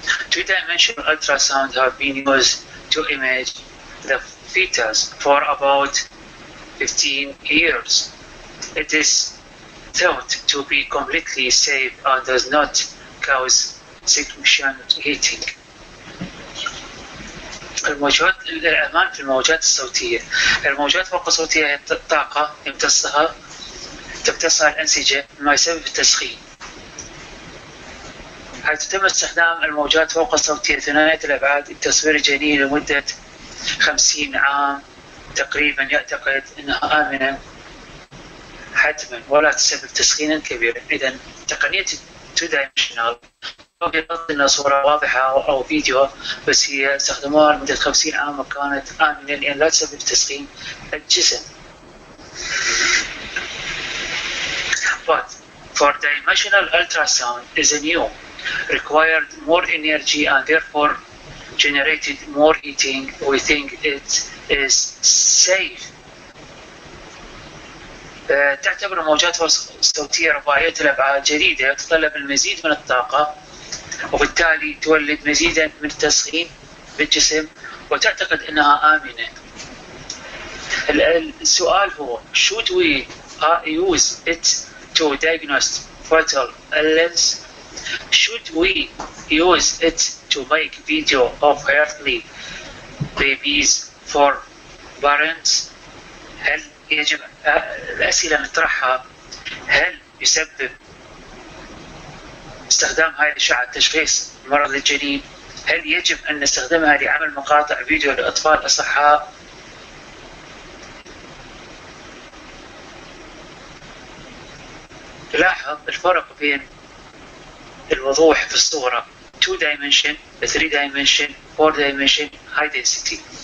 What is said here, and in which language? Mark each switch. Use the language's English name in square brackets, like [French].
[English] Two-dimensional ultrasound have been used to image the fetus for about 15 years. It is thought to be completely safe and does not cause significant heating. [Arabic] الموجات الأمان في الموجات الصوتية. الموجات فوق الصوتية هي طاقة تمتصها الأنسجة مما يسبب التسخين. حيث تم استخدام الموجات فوق الصوتية ثنائية الأبعاد لتصوير الجنين لمدة 50 عام تقريبا، يعتقد أنها آمنة حتما ولا تسبب تسخينا كبيرا. إذا تقنية 2 dimensional ممكن لنا صورة واضحة أو فيديو، بس هي استخدموها لمدة 50 عام وكانت آمنة لأن لا تسبب تسخين الجسم. [English] But 4 dimensional ultrasound is new, required more energy and therefore generated more heating. We think it is safe. [Arabic] تعتبر الموجات الصوتية رباعية الأبعاد جديدة تتطلب المزيد من الطاقة وبالتالي تولد مزيدا من التسخين بالجسم وتعتقد أنها آمنة. السؤال هو [English] should we use it to diagnose fetal illness? Should we use it to make video of healthy babies for parents? [Arabic] هل يجب الأسئلة نطرحها؟ هل يسبب استخدام هذه الأشعة تشخيص مرض الجنين؟ هل يجب أن نستخدمها لعمل مقاطع فيديو لأطفال أصحاء؟ تلاحظ الفرق بين الوضوح في الصورة [English] 2 dimension, 3 dimension, 4 dimension, high density.